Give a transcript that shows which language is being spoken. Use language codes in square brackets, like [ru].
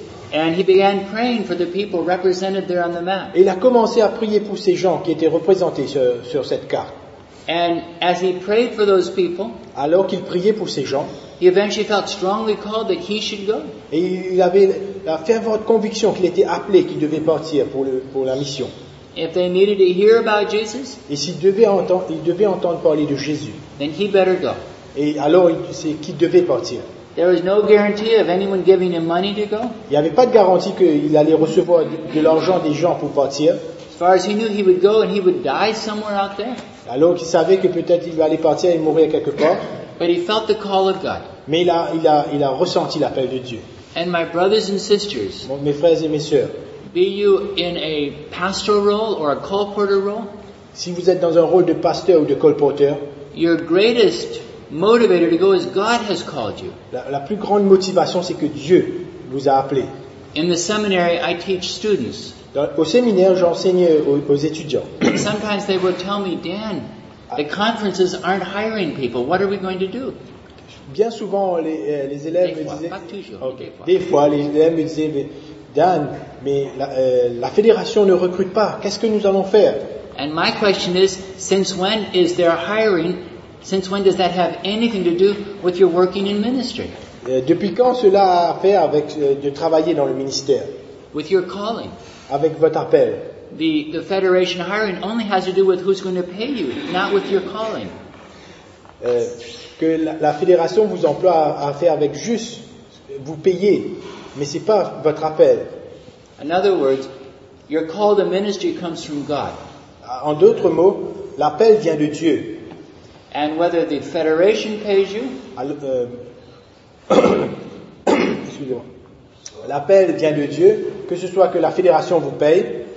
[en] And he began praying for the people represented there on the map. [fr] Et il a commencé à prier pour ces gens qui étaient représentés sur cette carte. [en] And as he prayed for those people, [fr] alors qu'il priait pour ces gens, [en] he eventually felt strongly called that he should go. [fr] Et il avait la fervente conviction qu'il était appelé, qu'il devait partir pour la mission. [en] If they needed to hear about Jesus, [fr] et s'il devait entendre, il devait entendre parler de Jésus, [en] then he better go. [fr] Et alors, c'est qu'il devait partir. [en] There was no guarantee of anyone giving him money to go. [fr] Il n'y avait pas de garantie qu'il allait recevoir de l'argent des gens pour partir. [en] As far as he knew, he would go and he would die somewhere out there. [fr] Alors qu'il savait que peut-être il allait partir et mourir quelque part. [en] But he felt the call of God. [fr] Mais il a ressenti l'appel de Dieu. [en] And my brothers and sisters, [fr] mes frères et mes sœurs, [en] be you in a pastoral role or a colporteur role, [fr] si vous êtes dans un rôle de pasteur ou de colporteur, [en] your greatest motivator to go is God has called you. [fr] La plus grande motivation, c'est que Dieu vous a appelé. [en] In the seminary, I teach students. [fr] Au séminaire, j'enseigne aux étudiants. [en] Sometimes they would tell me, Dan, the conferences aren't hiring people. What are we going to do? [fr] Bien souvent, les élèves des me disaient. Pas toujours, okay. Des fois, les élèves me disaient, mais Dan, mais la fédération ne recrute pas. Qu'est-ce que nous allons faire? [en] And my question is, since when is there hiring? Since when does that have anything to do with your working in ministry? [fr] Depuis quand cela a à faire avec de travailler dans le ministère? [en] With your calling. [fr] Avec votre appel. [en] The federation hiring only has to do with who's going to pay you, not with your calling. [fr] Que la fédération vous emploie à faire avec juste vous payer, mais c'est pas votre appel. [en] In other words, your call to ministry comes from God. [fr] En d'autres mots, l'appel vient de Dieu. [en] And whether the federation pays you. [fr] excusez-moi. L'appel vient de Dieu, que ce soit que la fédération vous paye